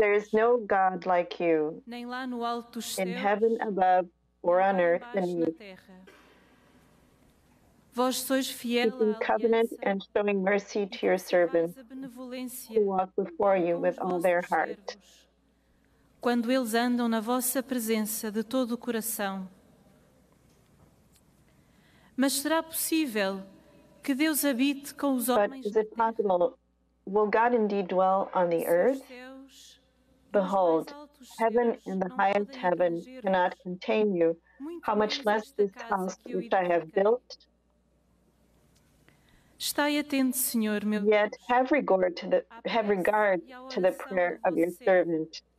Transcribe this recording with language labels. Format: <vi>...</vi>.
<en>There is no God like you,</en> <pt>nem lá no alto dos céus,</pt> <en>in heaven above or on earth beneath.</en> <pt>Vós sois fiel,</pt> <en>keeping covenant and showing mercy to your servants, who walk before you with all their heart.</en> <pt>Quando eles andam na vossa presença de todo o coração. Mas será possível que Deus habite com os homens na terra?</pt> <en>Will God indeed dwell on the earth? Behold, heaven and the highest heaven cannot contain you. How much less this house which I have built? Yet have regard to the prayer of your servant</en>